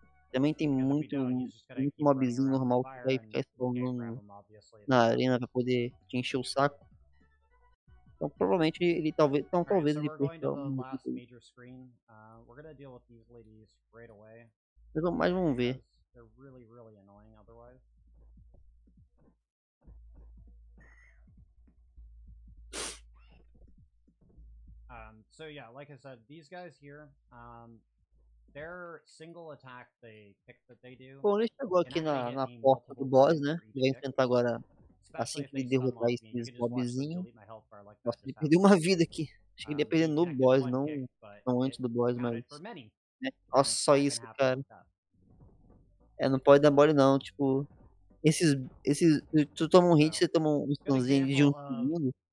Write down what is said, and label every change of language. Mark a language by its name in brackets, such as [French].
[Portuguese] Também tem muito mobzinho normal que vai ficar spawnando na arena pra poder te encher o saco. Então provavelmente ele talvez, então [English] right, [Portuguese] talvez [English] so [Portuguese] ele perca [English] o major screen. We're going to deal with these ladies right away. [Portuguese] Mas vamos ver. [English] They're really, really annoying otherwise. So yeah, like I said, these guys here, their single attack they pick that they do. [Portuguese] Bom, ele chegou aqui na porta do boss, né? Ele vai enfrentar agora. Assim que ele derrotar esses mobzinhos. Nossa, ele perdeu uma vida aqui. Acho que ele ia perder no boss, não antes do boss, mas. Nossa, só isso, cara. É, não pode dar mole não, tipo. Esses. Tu toma um hit, você toma um stunzinho de um segundo.